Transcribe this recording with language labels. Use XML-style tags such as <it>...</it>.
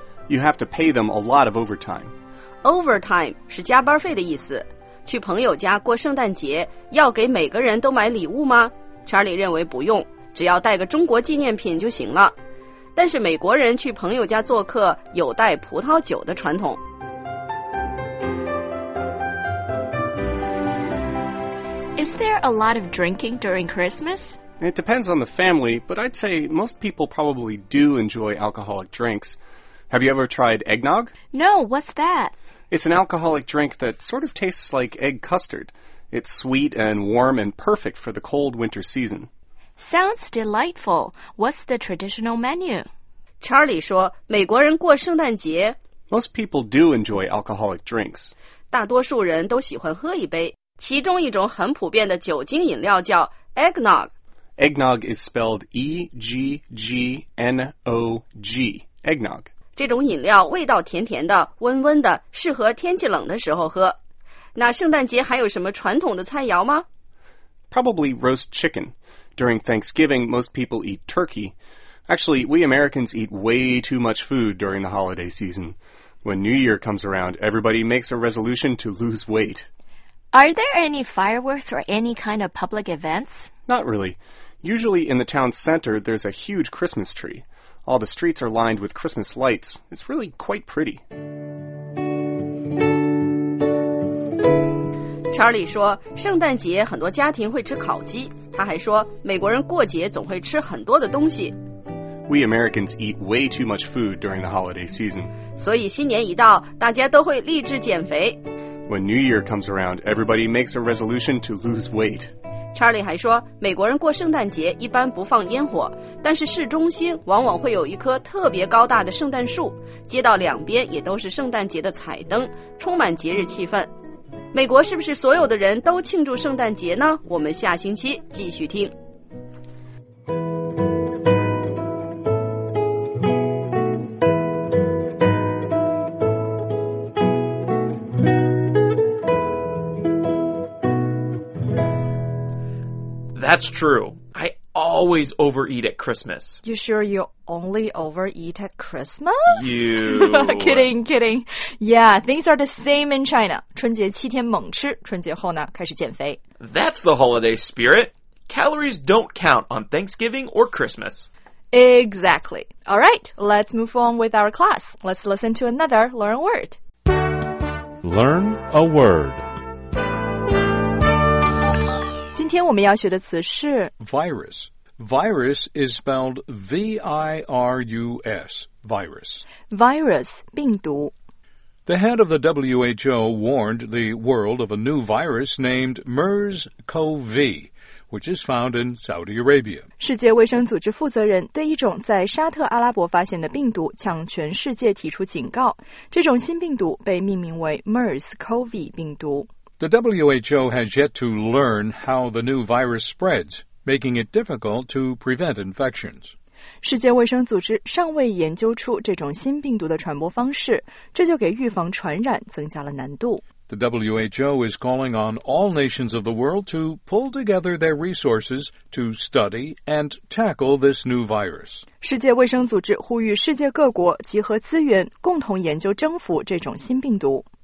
<en>You have to pay them a lot of overtime.</en> <zh>Overtime 是加班费的意思。去朋友家过圣诞节要给每个人都买礼物吗？ Charlie 认为不用，只要带个中国纪念品就行了。但是美国人去朋友家做客有带葡萄酒的传统。</zh> <en>Is there a lot of drinking during Christmas? It depends on the family, but I'd say most people probably do enjoy alcoholic drinks. Have you ever tried eggnog? No, what's that? It's an alcoholic drink that sort of tastes like egg custard. It's sweet and warm and perfect for the cold winter season. Sounds delightful. What's the traditional menu?</en> <zh>Charlie 说美国人过圣诞节。</zh> <en>Most people do enjoy alcoholic drinks.</en> <zh>大多数人都喜欢喝一杯。其中一种很普遍的酒精饮料叫 eggnog.</zh> <en>Eggnog is spelled E-G-G-N-O-G, eggnog.</en> <zh>这种饮料味道甜甜的，温温的，适合天气冷的时候喝。那圣诞节还有什么传统的菜肴吗？</zh> <en>Probably roast chicken. During Thanksgiving, most people eat turkey. Actually, we Americans eat way too much food during the holiday season. When New Year comes around, everybody makes a resolution to lose weight. Are there any fireworks or any kind of public events? Not really. Usually in the town center, there's a huge Christmas tree. All the streets are lined with Christmas lights. It's really quite pretty.</en> <zh>查理说，圣诞节很多家庭会吃烤鸡。他还说，美国人过节总会吃很多的东西。</zh> <en>We Americans eat way too much food during the holiday season.</en> <zh>所以新年一到，大家都会立志减肥。</zh> <en>When New Year comes around, everybody makes a resolution to lose weight.</en> <zh>Charlie 还说，美国人过圣诞节一般不放烟火，但是市中心往往会有一棵特别高大的圣诞树，街道两边也都是圣诞节的彩灯，充满节日气氛。美国是不是所有的人都庆祝圣诞节呢？我们下星期继续听。</zh> <en>That's true. I always overeat at Christmas. You sure you only overeat at Christmas? You. kidding. Yeah, things are the same in China.</en> <zh>春节七天猛吃,春节后呢,开始减肥。</zh> <en>That's the holiday spirit. Calories don't count on Thanksgiving or Christmas. Exactly. All right, let's move on with our class. Let's listen to another Learn a Word. Learn a Word.</en> <zh>今天我们要学的词是</zh> <en>virus. Virus is spelled V-I-R-U-S, virus. Virus,</en> <zh>病毒.</zh> <en>The head of the WHO warned the world of a new virus named MERS-CoV, which is found in Saudi Arabia.</en> <zh>世界卫生组织负责人对一种在沙特阿拉伯发现的病毒向全世界提出警告。这种新病毒被命名为 MERS-CoV 病毒。</zh> <en>The WHO has yet to learn how the new virus spreads, making it difficult to prevent infections.</en> <zh>世界卫生组织尚未研究出这种新病毒的传播方式，这就给预防传染增加了难度。</zh> <en>The WHO is calling on all nations of the world to pull together their resources to study and tackle this new virus.</en> <zh>世界卫生组织呼吁世界各国集合资源，共同研究征服这种新病毒。</zh>